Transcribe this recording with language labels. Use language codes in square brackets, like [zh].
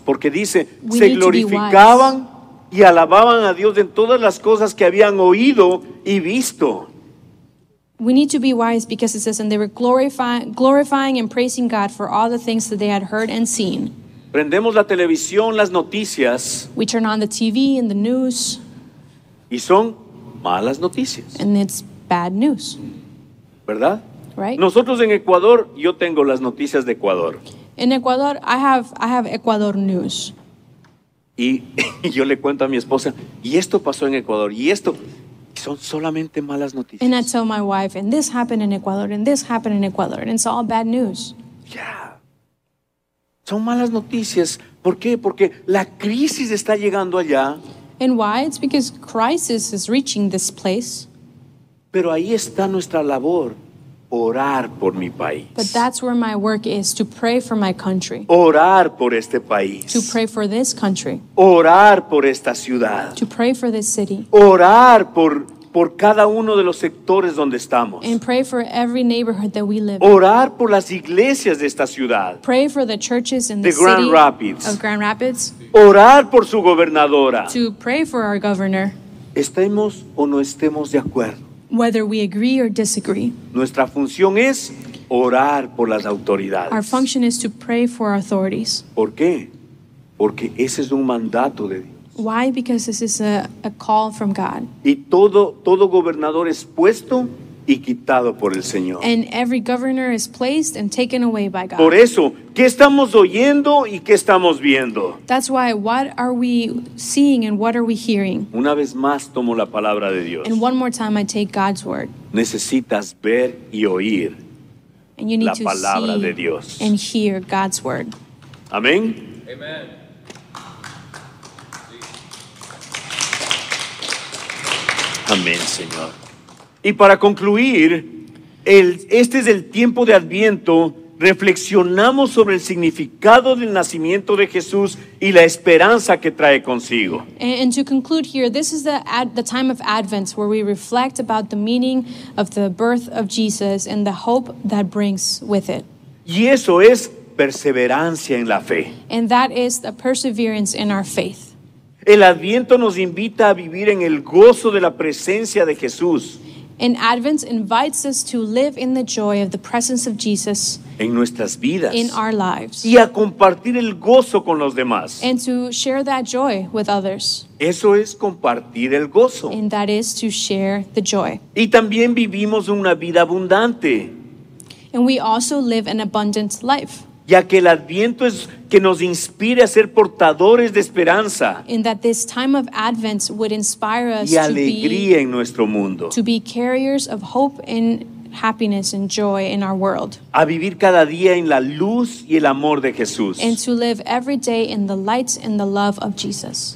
[es] Porque dice, se glorificaban y alababan a Dios en todas las cosas que habían oído y visto. [en] We need to be wise because it says, and they were glorifying and praising God for all the things that they had heard and seen. [es] Prendemos la televisión, las noticias. [en] We turn on the TV and the news. [es] Y son malas noticias. [en] And it's bad news. [es] ¿Verdad? [en] Right. [es] Nosotros en Ecuador, yo tengo las noticias de Ecuador. [en] In Ecuador, I have Ecuador news. [es] Y yo le cuento a mi esposa, y esto pasó en Ecuador, y esto, son solamente malas noticias. [en] And I tell my wife, and this happened in Ecuador, and this happened in Ecuador, and it's all bad news. [es] Yeah. Son malas noticias. ¿Por qué? Porque la crisis está llegando allá. [en] And why? It's because crisis is reaching this place. [es] Pero ahí está nuestra labor, orar por mi país. [en] But that's where my work is, to pray for my country. [es] Orar por este país. [en] To pray for this country. [es] Orar por esta ciudad. [en] To pray for this city. [es] Orar por cada uno de los sectores donde estamos. [en] And pray for every neighborhood that we live in. [es] Orar por las iglesias de esta ciudad. [en] Pray for the churches in the city Grand Rapids. Of Grand Rapids. [es] Orar por su gobernadora. [en] To pray for our governor. [es] Estemos o no estemos de acuerdo. [en] Whether we agree or disagree. [es] Nuestra función es orar por las autoridades. [en] Our function is to pray for authorities. [es] ¿Por qué? Porque ese es un mandato de Dios. [en] Why? Because this is a call from God. [es] Y todo gobernador es puesto y quitado por el Señor. [en] And every governor is placed and taken away by God. [es] Por eso, ¿qué estamos oyendo y qué estamos viendo? [en] That's why, what are we seeing and what are we hearing? [es] Una vez más tomo la palabra de Dios. [en] And one more time I take God's word. [es] Necesitas ver y oír [en] and you need [es] la palabra [en] to see [es] de Dios. [en] And hear God's word. [es] Amén. [en] Amen. [es] Amén, Señor. Y para concluir, este es el tiempo de Adviento. Reflexionamos sobre el significado del nacimiento de Jesús y la esperanza que trae consigo. [en] And to conclude here, this is the time of Advent where we reflect about the meaning of the birth of Jesus and the hope that brings with it. [es] Y eso es perseverancia en la fe. [en] And that is the perseverance in our faith. [es] El Adviento nos invita a vivir en el gozo de la presencia de Jesús. [en] And Advent invites us to live in the joy of the presence of Jesus [es] en nuestras vidas. [en] In our lives. [es] Y a compartir el gozo con los demás. [en] And to share that joy with others. [es] Eso es compartir el gozo. [en] And that is to share the joy. [es] Y también vivimos una vida abundante. [en] And we also live an abundant life. [es] Ya que el Adviento es que nos inspire a ser portadores de esperanza. [en] In that this time of Advent would inspire us [es] y alegría en nuestro mundo. [en] To be carriers of hope and happiness and joy in our world. [es] A vivir cada día en la luz y el amor de Jesús. [en] And to live every day in the light and the love of Jesus.